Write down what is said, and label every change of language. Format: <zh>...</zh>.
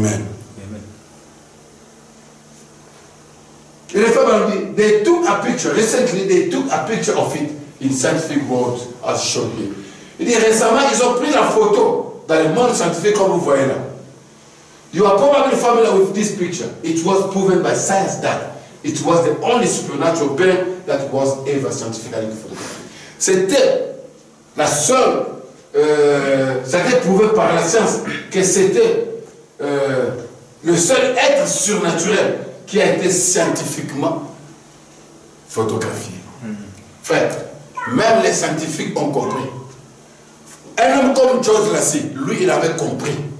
<en>Amen.</en> <fr>Il est fait par lui.</fr> <en>They took a picture. Recently, they took a picture of it in scientific world as shown here.</en> <fr>Il dit récemment, ils ont pris la photo dans le monde scientifique comme vous voyez là.</fr> <en>You are probably familiar with this picture. It was proven by science that it was the only supernatural being that was ever scientifically photographed.</en> <fr>C'était la seule. Ça a été prouvé par la science que c'était le seul être surnaturel qui a été scientifiquement photographié. Frère, même les scientifiques ont compris. Un homme comme George Lassie, lui, il avait compris.</fr>